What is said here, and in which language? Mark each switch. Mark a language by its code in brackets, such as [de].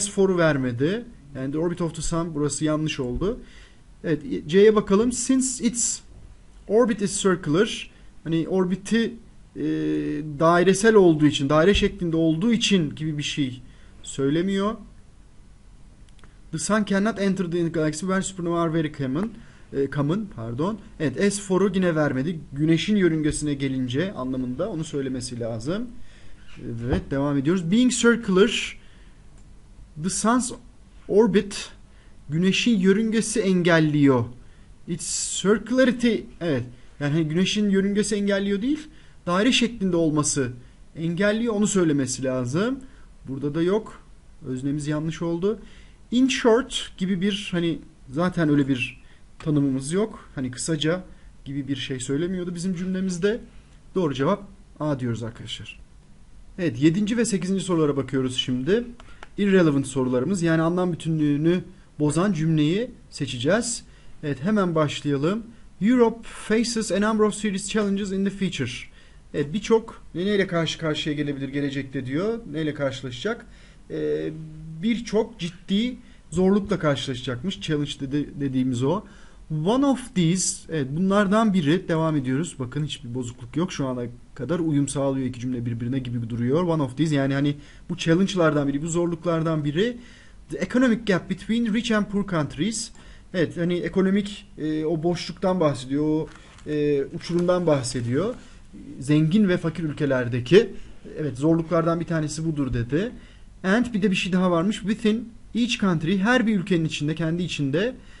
[tr] S for'u vermedi. Yani [en] the orbit of the sun, [tr] burası yanlış oldu. Evet, C'ye bakalım. [en] Since its orbit is circular, [tr] hani orbiti dairesel olduğu için, daire şeklinde olduğu için gibi bir şey söylemiyor. [en] The sun cannot enter the galaxy where supernova are very common. [tr] Pardon. Evet, S for'u yine vermedi. Güneşin yörüngesine gelince anlamında onu söylemesi lazım. Evet, devam ediyoruz. [en] Being circular, the sun's orbit, [tr] güneşin yörüngesi engelliyor. [en] Its circularity, [tr] evet. Yani güneşin yörüngesi engelliyor değil, daire şeklinde olması engelliyor, onu söylemesi lazım. Burada da yok. Öznemiz yanlış oldu. [en] In short [tr] gibi bir, hani zaten öyle bir tanımımız yok. Hani kısaca gibi bir şey söylemiyordu bizim cümlemizde. Doğru cevap A diyoruz arkadaşlar. Evet, 7. ve 8. sorulara bakıyoruz şimdi. Irrelevant sorularımız, yani anlam bütünlüğünü bozan cümleyi seçeceğiz. Evet, hemen başlayalım. [en] Europe faces a number of serious challenges in the future. [tr] Evet, birçok neyle karşı karşıya gelebilir gelecekte diyor. Neyle karşılaşacak? Birçok ciddi zorlukla karşılaşacakmış. Challenge dediğimiz o. [en] One of these, [tr] evet, bunlardan biri, devam ediyoruz. Bakın hiçbir bozukluk yok şu ana kadar, uyum sağlıyor iki cümle birbirine gibi duruyor. [en] One of these, [tr] yani hani bu challenge'lardan biri, bu zorluklardan biri. [en] The economic gap between rich and poor countries. [tr] Evet, hani ekonomik o boşluktan bahsediyor, o uçurumdan bahsediyor. Zengin ve fakir ülkelerdeki, evet, zorluklardan bir tanesi budur dedi. And bir de bir şey daha varmış. [en] Within each country, [tr] her bir ülkenin içinde, kendi içinde.